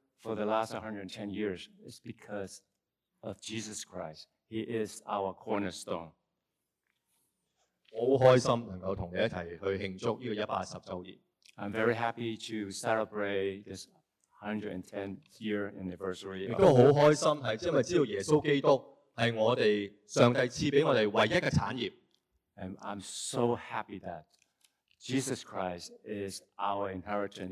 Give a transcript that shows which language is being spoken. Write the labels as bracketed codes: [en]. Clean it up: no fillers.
[en] For the last 110 years, it's because of Jesus Christ. He is our cornerstone. [yue] 我好开心能够同你一起去庆祝这个110周年。 [en] I'm very happy to celebrate this 110th year anniversary. [yue] 亦都好开心，系因为知道耶稣基督系我哋上帝赐俾我哋唯一嘅产业。 [en] And I'm so happy that Jesus Christ is our inheritance.